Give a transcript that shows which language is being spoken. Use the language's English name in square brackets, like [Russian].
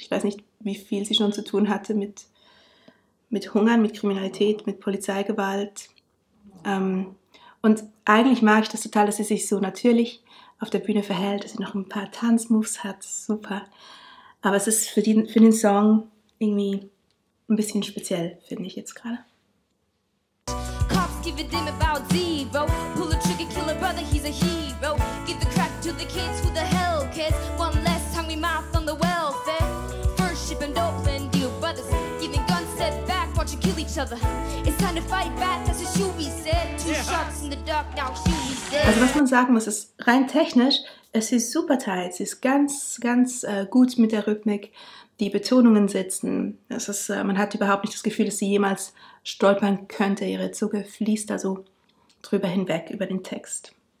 [German] Ich weiß nicht, wie viel sie schon zu tun hatte mit Hungern, mit Kriminalität, mit Polizeigewalt. Und eigentlich mag ich das total, dass sie sich so natürlich auf der Bühne verhält, dass sie noch ein paar Tanzmoves hat. Super. Aber es ist für den Song irgendwie ein bisschen speziell, finde ich jetzt gerade. [English] Cops give a damn about zero. Pull the trigger, kill a brother, he's a hero. Give the crack to the kids, who the hell cares? One less hungry mouth on the welfare. First shipping dope and deal brothers. Giving guns, step back, watch you kill each other. It's time to fight back, that's what Shuby said. Two shots in the dark, now Shuby said. [German] Also was man sagen muss, ist rein technisch, es ist super tight. Es ist ganz, ganz gut mit der Rhythmik. Die Betonungen sitzen. Es ist, man hat überhaupt nicht das Gefühl, dass sie jemals stolpern könnte. Ihre Zunge fließt da so drüber hinweg über den Text.